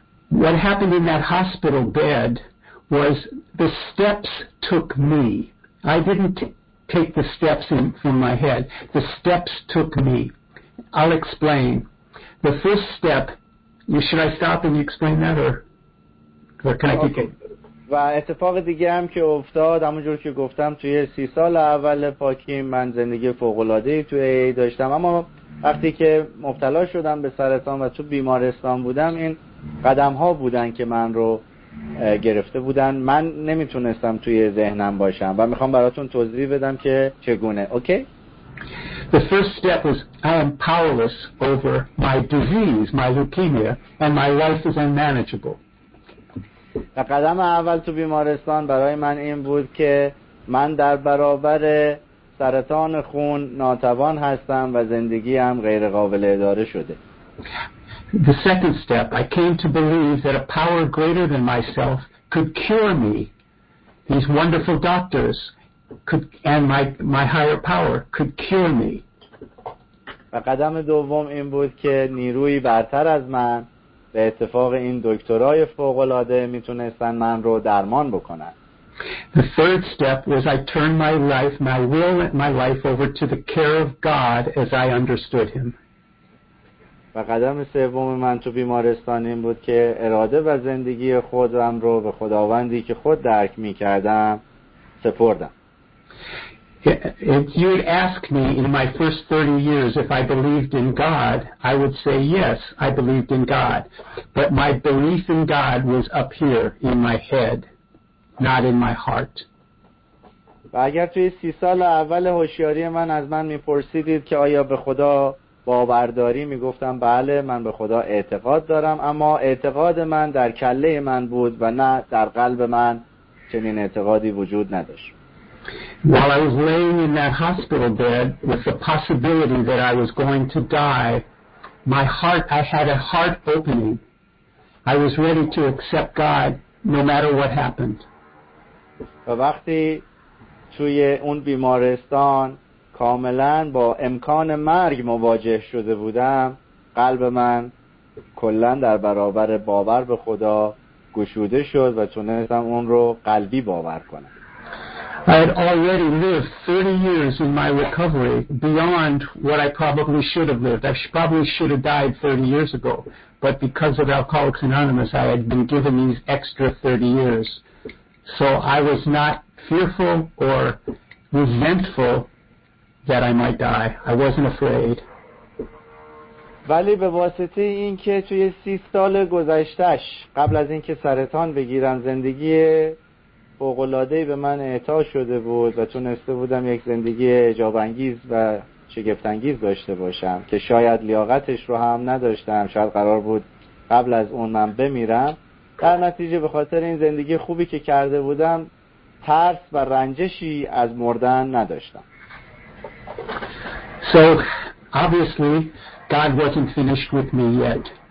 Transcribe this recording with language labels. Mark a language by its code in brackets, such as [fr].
[en] What happened in that hospital bed was the steps took me. I didn't take the steps in from my head. The steps took me. I'll explain. The first step, should I stop and you explain that or can I keep it? [fa] و اتفاق دیگه هم که افتاد همونجور که گفتم توی 30 سال اول پاکی من زندگی فوق‌العاده‌ای توی AA داشتم، اما وقتی که مبتلا شدم به سرطان و تو بیمارستان بودم این قدم ها بودن که من رو گرفته بودن. من نمیتونستم توی ذهنم باشم و میخوام براتون توضیح بدم که چگونه. [en] Okay? The first step was I am powerless over my disease, my leukemia, and my life is unmanageable. [fa] و قدم اول تو بیمارستان برای من این بود که من در برابر سرطان خون ناتوان هستم و زندگیم غیر قابل اداره شده. [en] The second step, I came to believe that a power greater than myself could cure me. These wonderful doctors could, and my higher power could cure me. [fa] و قدم دوم این بود که نیروی برتر از من به اتفاق این دکترای فوق‌العاده میتونستن من رو درمان بکنن. [en] The third step was I turned my life, my will and my life over to the care of God as I understood him. [fa] و قدم سوم من تو بیمارستان این بود که اراده و زندگی خودم رو به خداوندی که خود درک میکردم سپردم. [en] If you'd ask me in my first 30 years if I believed in God, I would say yes, I believed in God. But my belief in God was up here in my head, not in my heart. [fa] و اگر توی 30 سال اول هوشیاری من از من می‌پرسیدید که آیا به خدا باورداری میگفتم بله من به خدا اعتقاد دارم، اما اعتقاد من در کله من بود و نه در قلب من چنین اعتقادی وجود نداشت. [en] While I was laying in that hospital bed with the possibility that I was going to die, my heart, I had a heart opening. I was ready to accept God no matter what happened. [fa] و وقتی توی اون بیمارستان کاملا با امکان مرگ مواجه شده بودم، قلب من کلن در برابر باور به خدا گشوده شد و تونستم اون رو قلبی باور کنم. [en] I had already lived 30 years in my recovery beyond what I probably should have lived. I probably should have died 30 years ago, but because of Alcoholics Anonymous, I had been given these extra 30 years. So I was not fearful or resentful that I might die. I wasn't afraid. [fa] ولی به واسطه این که توی 30 سال گذشتهش قبل از اینکه سرطان بگیرم زندگی فوق‌العاده‌ای به من اعطا شده بود و تونسته بودم یک زندگی اعجاب‌انگیز و شگفت‌انگیز داشته باشم که شاید لیاقتش رو هم نداشتم، شاید قرار بود قبل از اون من بمیرم، در نتیجه به خاطر این زندگی خوبی که کرده بودم ترس و رنجشی از مردن نداشتم. [en] So obviously God wasn't finished with me yet.